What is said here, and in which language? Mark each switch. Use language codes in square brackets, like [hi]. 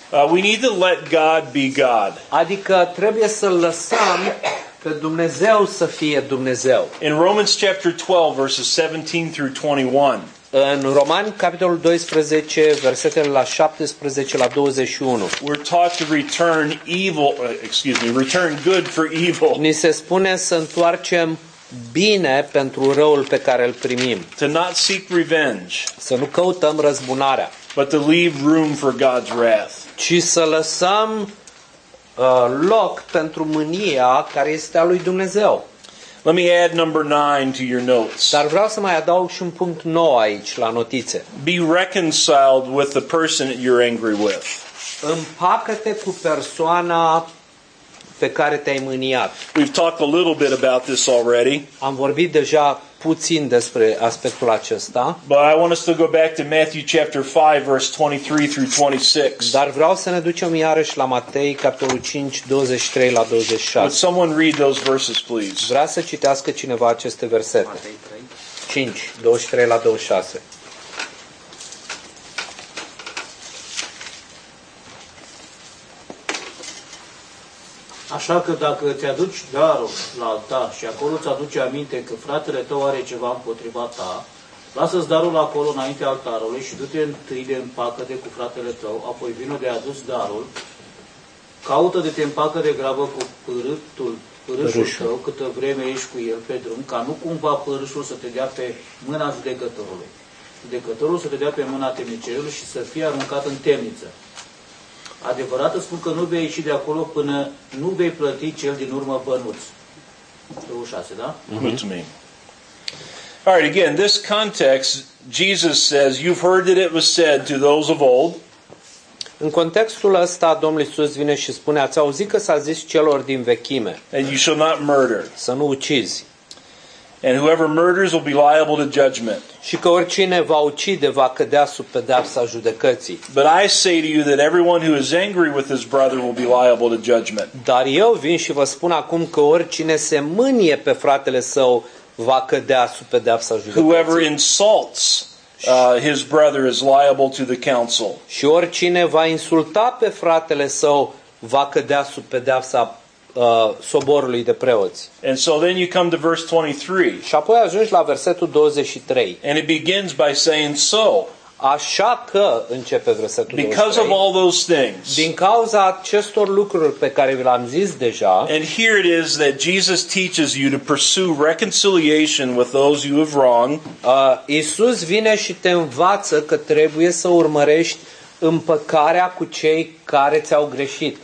[en] We need to let God be God. [ro] Adică trebuie să lăsăm că Dumnezeu să fie Dumnezeu. [en] In Romans chapter 12 verses 17 through 21. [ro] În Romani capitolul 12 versetele la 17 la 21. [en] We're taught to return evil, return good for evil. [ro] Ni se spune să întoarcem bine pentru răul pe care îl primim. [en] To not seek revenge. [ro] Să nu căutăm răzbunarea. [en] But to leave room for God's wrath. [ro] Ci să lăsăm loc pentru mânia care este a lui Dumnezeu. [en] Let me add number 9 to your notes. [ro] Dar vreau să mai adaug și un punct nou aici la notițe. [en] Be reconciled with the person that you're angry with. [ro] Împacă-te cu persoana pe care te-ai mâniat. [en] We've talked a little bit about this already. [ro] Am vorbit deja puțin despre aspectul acesta. [en] But I want us to go back to Matthew chapter 5 verse 23 through 26. [ro] Dar vreau să ne ducem iarăși la Matei capitolul 5 23 la 26. [en] Would someone read those verses please? [ro] Vreau să citească cineva aceste versete. Matei 3. 5 23 la 26. Așa că dacă îți aduci darul la altar și acolo îți aduce aminte că fratele tău are ceva împotriva ta, lasă-ți darul acolo înaintea altarului și du-te întâi de împacă-te cu fratele tău, apoi vino de adus darul, caută de te împacă de grabă cu pârâșul tău câtă vreme ești cu el pe drum, ca nu cumva pârâșul să te dea pe mâna judecătorului. Judecătorul să te dea pe mâna temnicerului și să fie aruncat în temniță. Adevărat îți spun că nu vei ieși de acolo până nu vei plăti cel din urmă bănuț. 26, da? [en] Mm-hmm. All right, again, this context, Jesus says, you've heard that it was said to those of old. [ro] În contextul ăsta, Domnul Iisus vine și spune, ați auzit că s-a zis celor din vechime. [en] And you shall not murder. [ro] Să nu ucizi. [en] And whoever murders will be liable to judgment. [ro] Și că oricine va ucide va cădea sub pedeapsa judecății. [en] But I say to you that everyone who is angry with his brother will be liable to judgment. [ro] Dar eu vin și vă spun acum că oricine se mânie pe fratele său va cădea sub pedeapsa judecății. [en] Whoever insults his brother is liable to the council. [ro] Și oricine va insulta pe fratele său va cădea sub pedeapsa soborului de preoți. [en] And so then you come to verse 23. [ro] Și apoi ajungi la versetul 23. [en] And it begins by saying so. [ro] Așa că începe versetul 23. [en] Because of all those things. [ro] Din cauza acestor lucruri pe care vi le-am zis deja. [en] And here it is that Jesus teaches you to pursue reconciliation with those you have wronged. [ro] Iisus vine și te învață că trebuie să urmărești împăcarea cu cei care ți-au greșit.